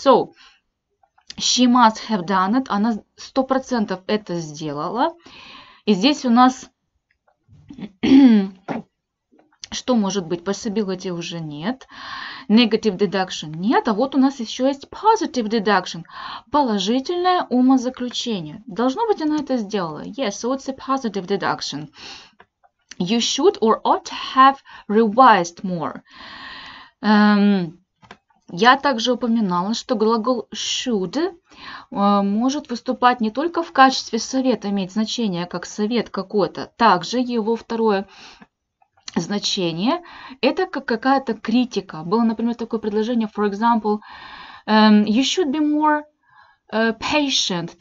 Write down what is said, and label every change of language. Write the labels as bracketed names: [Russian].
[English] So, she must have done it. [Russian] Она 100% это сделала. И здесь у нас... Что может быть? Possibility уже нет. Negative deduction нет. А вот у нас еще есть positive deduction. Положительное умозаключение. Должно быть, она это сделала. [English] Yes, so it's a positive deduction. You should or ought to have revised more. [Russian] Я также упоминала, что глагол should может выступать не только в качестве совета, иметь значение как совет какой-то. Также его второе... значение это как какая-то критика. Было, например, такое предложение, [English] for example, you should be more patient.